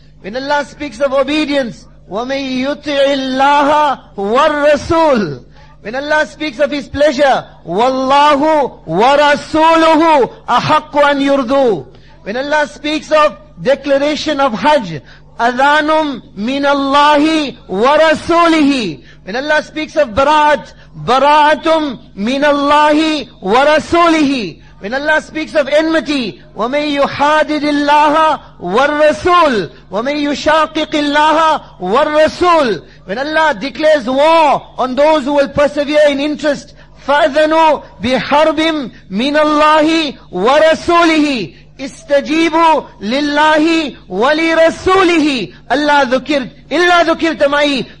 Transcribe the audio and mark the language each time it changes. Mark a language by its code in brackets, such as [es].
[en] When Allah speaks of obedience, [ar] وَمَنْ يُطِعِ اللَّهَ وَالرَّسُولِ. [en] When Allah speaks of His pleasure, [ar] وَاللَّهُ وَرَسُولُهُ أَحَقُّ أَنْ يُرْضُوهُ. [en] When Allah speaks of declaration of Hajj, [ar] أَذَانٌ مِّنَ اللَّهِ وَرَسُولِهِ. [en] When Allah speaks of Bara'at, [ar] بَرَاعَةٌ مِّنَ اللَّهِ وَرَسُولِهِ. [en] When Allah speaks of enmity, [ar] وَمَنْ يُحَادِدِ اللَّهَ وَالرَّسُولِ وَمَنْ يُشَاقِقِ اللَّهَ وَالرَّسُولِ. [en] When Allah declares war on those who will persevere in interest, [ar] فَأَذَنُوا بِحَرْبٍ مِّنَ اللَّهِ وَرَسُولِهِ إِسْتَجِيبُوا لِلَّهِ وَلِرَسُولِهِ. Allah ذُكِرْ إِلَّا ذُكِرْتَ مَعِي.